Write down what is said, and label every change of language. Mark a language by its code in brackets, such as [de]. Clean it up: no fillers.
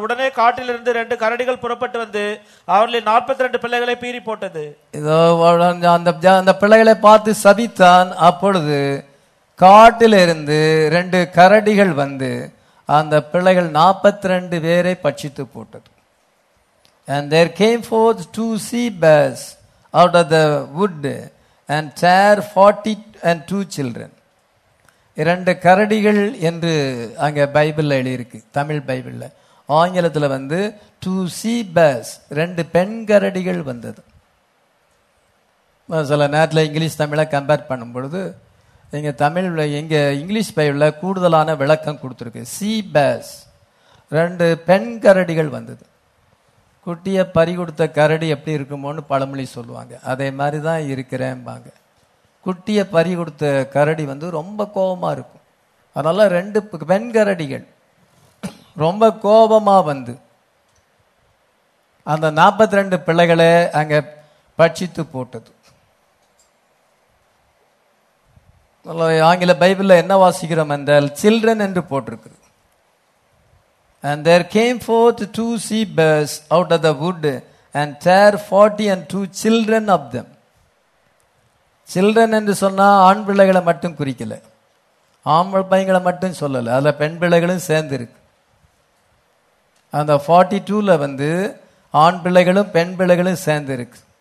[ta] உடனே காட்டிலிருந்து 2 கரடிகள் புறப்பட்டு வந்து அவர்களின் 42 பிள்ளைகளை பீறி போட்டது. இதோ அந்த பிள்ளைகளை பார்த்து சபித்தான். அப்பொழுது காட்டிலிருந்து 2 கரடிகள் வந்து அந்த பிள்ளைகள் 42 பேரை பட்சித்து போட்டது. [en] And there came forth 2 sea bears out of the wood and tear 42 children. [ta] இரண்டு கரடிகள் என்று அங்க பைபிள்ல எழுதியிருக்கு, தமிழ் பைபிள்ல. ஆங்கிலத்துல வந்து 2 [en] sea bears, [ta] 2 பெண் கரடிகள் வந்தது. சில நேரத்தில் இங்கிலீஷ் தமிழை கம்பேர் பண்ணும் பொழுது இங்க தமிழ்ல, இங்க இங்கிலீஷ் பைபிள்ல கூடுதலான விளக்கம் கொடுத்துருக்கு. சீ பேர்ஸ், 2 பெண் கரடிகள் வந்தது. குட்டிய பறி கொடுத்த கரடி எப்படி இருக்குமோன்னு பழமொழி சொல்லுவாங்க, அதே மாதிரிதான் இருக்கிறேன்பாங்க. குட்டிய பறி கொடுத்த கரடி வந்து ரொம்ப கோபமா இருக்கும். அதனால 2 பெண் கரடிகள் ரொம்ப கோபமா வந்து அந்த 42 பிள்ளைகளை அங்க பட்சித்து போட்டது. ஆங்கில பைபிள்ல என்ன வாசிக்கிறோம் என்றால் சில்ட்ரன் என்று போட்டிருக்கு. [en] And there came forth 2 sea bears out of the wood and tear 42 children of them. [ta] Children என்று சொன்னா ஆண் பிள்ளைகளை மட்டும் குறிக்கல, ஆம்பள் பையங்களை மட்டும் சொல்லல, அதுல பெண் பிள்ளைகளும் சேர்ந்து இருக்கு. அந்த 42 வந்து ஆண் பிள்ளைகளும் பெண் பிள்ளைகளும் சேர்ந்து இருக்கு.